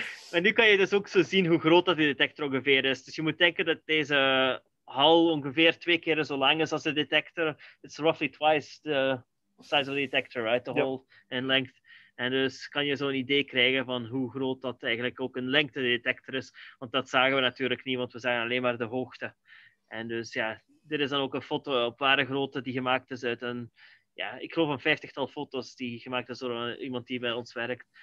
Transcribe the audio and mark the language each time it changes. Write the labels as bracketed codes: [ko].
[nl] En nu kan je dus ook zo zien hoe groot dat die detector ongeveer is. Dus je moet denken dat deze hal ongeveer 2 keer zo lang is als de detector. [en] It's roughly twice the size of the detector, right? The hole in length. [nl] En dus kan je zo'n idee krijgen van hoe groot dat eigenlijk ook een lengte detector is. Want dat zagen we natuurlijk niet, want we zagen alleen maar de hoogte. En dus ja, dit is dan ook een foto op ware grootte die gemaakt is uit een... Ja, ik geloof een 50-tal foto's die gemaakt is door iemand die bij ons werkt.